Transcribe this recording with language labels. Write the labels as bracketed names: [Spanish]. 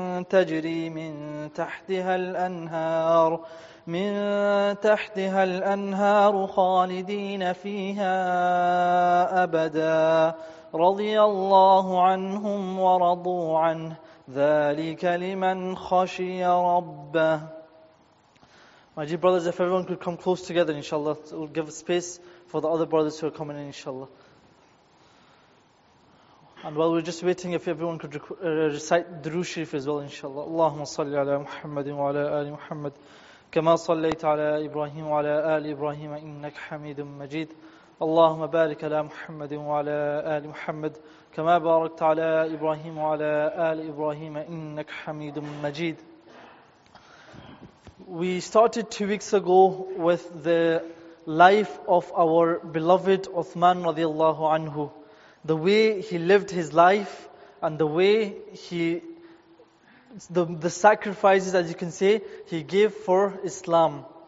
[Arabic] تجري من تحتها الأنهار خالدين فيها أبدا رضي الله عنهم ورضوا عنه ذلك لمن خشي ربه. [English] My dear brothers, if everyone could come close together, inshallah, it will give space for the other brothers who are coming in, inshallah. And while we're just waiting, if everyone could recite Durood Sharif as well, inshallah. [Arabic] Allahumma salli ala Muhammadin wa ala ali Muhammad. كما صليت على إبراهيم وعلى آل إبراهيم إنك حميد مجيد اللهم بارك على محمد وعلى آل محمد كما باركت على إبراهيم وعلى آل إبراهيم إنك حميد مجيد. [English] We started 2 weeks ago with the life of our beloved Uthman رضي الله عنه, the way he lived his life and the way he the sacrifices, as you can say, he gave for Islam.